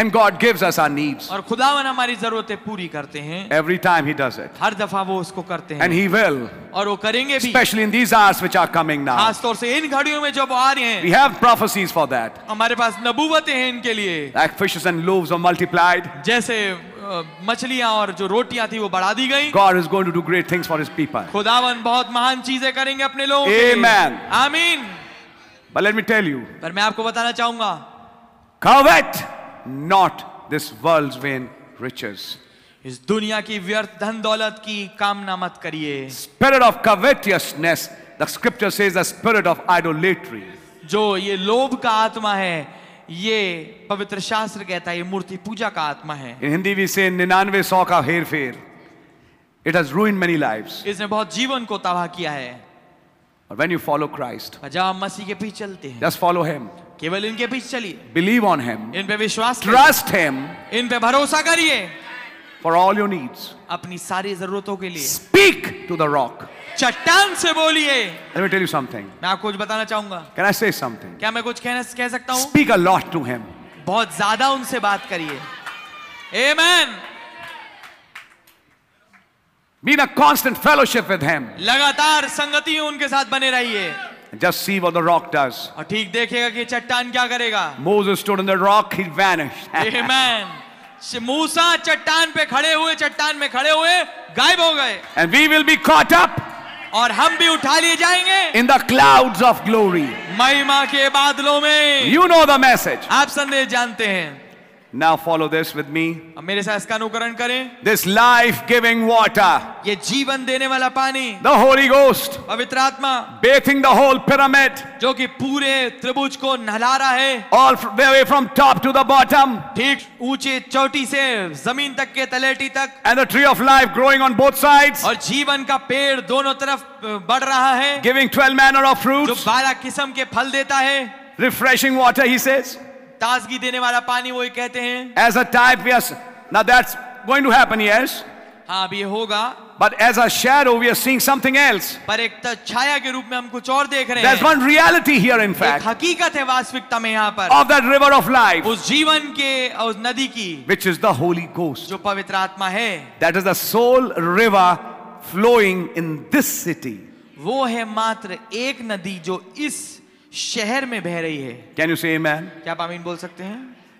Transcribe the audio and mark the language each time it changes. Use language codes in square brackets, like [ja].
[en] And God gives us our needs. [hi] Aur khudawan hamari zaruraten puri karte hain. [en] Every time he does it. [hi] Har dafa wo usko karte hain. [en] And he will. [hi] Aur wo karenge bhi. [en] Especially in these hours which are coming now. [hi] Khaas taur se in ghadiyon mein jab aa rahe hain. [en] We have prophecies for that. [hi] Hamare paas nabuwatein hain inke liye. [en] Like fishes and loaves are multiplied. [hi] Jaise मछलियां और जो रोटियां थी वो बढ़ा दी गई. [en] God is going to do great things for his people. [hi] खुदावन बहुत महान चीजें करेंगे अपने लोगों के लिए. Amen. आमीन. [en] But let me tell you. [hi] पर मैं आपको बताना चाहूंगा. [en] Covet not this world's vain riches. [hi] इस दुनिया की व्यर्थ धन दौलत की कामना मत करिए. [en] Spirit of covetousness, the scripture says, the spirit of idolatry. [hi] जो ये लोभ का आत्मा है, ये पवित्र शास्त्र कहता है, ये मूर्ति पूजा का आत्मा है. [en] In Hindi we say [hi] 99 का हेर फेर. [en] It has ruined many lives. [hi] इसने बहुत जीवन को तबाह किया है. [en] But when you follow Christ, [hi] जब मसीह के पीछे चलते हैं, [en] just follow him. [hi] केवल इनके पीछे चलिए. [en] Believe on him. [hi] इन पे विश्वास करिए. [en] Trust him. [hi] इन पे भरोसा करिए. [en] For all your needs, [hi] अपनी सारी जरूरतों के लिए. [en] Speak to the rock. [hi] चट्टान से बोलिए. [en] Let me tell you something. [hi] मैं आपको कुछ बताना चाहूंगा. [en] Can I say something? [hi] क्या मैं कुछ कह सकता हूँ? [en] Speak a lot to him. [hi] बहुत ज़्यादा उनसे बात करिए. [en] Amen. Be in a constant fellowship with him. [hi] लगातार संगति उनके साथ बने रहिए. [en] Just see what the rock does. [hi] और ठीक देखेगा कि चट्टान क्या करेगा. [en] Moses stood on the rock, he vanished. Amen. [hi] मूसा चट्टान पे खड़े हुए, चट्टान में खड़े हुए गायब हो गए. [en] And we will be caught up. [hi] और हम भी उठा लिए जाएंगे. [en] In the clouds of glory. [hi] महिमा के बादलों में. [en] You know the message. [hi] आप संदेश जानते हैं. [en] Now follow this with me. [hi] अब मेरे साथ इसका अनुकरण करें. [en] This life-giving water. [hi] ये जीवन देने वाला पानी. [en] The Holy Ghost. [hi] पवित्र आत्मा. [en] Bathing the whole pyramid. [hi] जो कि पूरे त्रिभुज को नहला रहा है. [en] All the way from top to the bottom. [hi] ठीक ऊंचे चोटी से जमीन तक के तलेटी तक. [en] And the tree of life growing on both sides. [hi] और जीवन का पेड़ दोनों तरफ बढ़ रहा है. [en] Giving 12 manner of fruits. [hi] जो 12 किस्म के फल देता है. [en] Refreshing water, he says. [hi] ताजगी देने वाला पानी वो ही कहते हैं. [en] As a type, yes. Now that's going to happen, yes. [hi] हाँ, अभी ये होगा. [en] But as a shadow, we are seeing something else. [hi] पर एक छाया के रूप में हम कुछ और देख रहे हैं. [en] There's one reality here, in fact. [hi] एक हकीकत है वास्तविकता में यहाँ पर. [en] Of that river of life. [hi] उस जीवन के उस नदी की. [en] Which is the Holy Ghost. [hi] जो पवित्र आत्मा है. [en] That is the sole river flowing in this city. [hi] वो है मात्र एक नदी जो इस शहर में बह रही है. [en] Can you say amen? [hi] क्या आप आमीन बोल सकते हैं?